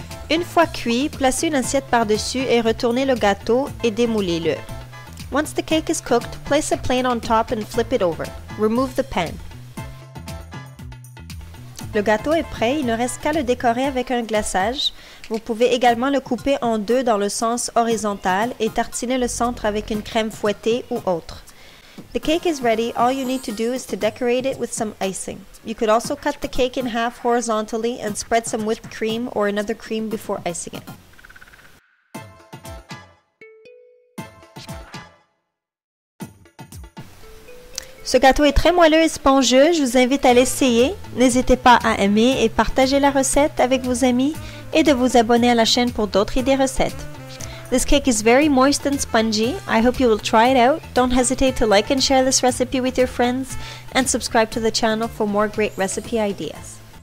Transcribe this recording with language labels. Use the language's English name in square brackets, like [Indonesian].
[French] Une fois cuit, placez une assiette par-dessus et retournez le gâteau et démoulez-le. [English] Once the cake is cooked, place a plate on top and flip it over. Remove the pan. [French] Le gâteau est prêt, il ne reste qu'à le décorer avec un glaçage. Vous pouvez également le couper en deux dans le sens horizontal et tartiner le centre avec une crème fouettée ou autre. [English] The cake is ready. All you need to do is to decorate it with some icing. You could also cut the cake in half horizontally and spread some whipped cream or another cream before icing it. [French] Ce gâteau est très moelleux et spongieux. Je vous invite à l'essayer. N'hésitez pas à aimer et partager la recette avec vos amis et de vous abonner à la chaîne pour d'autres idées recettes. [English] This cake is very moist and spongy. I hope you will try it out. Don't hesitate to like and share this recipe with your friends and subscribe to the channel for more great recipe ideas.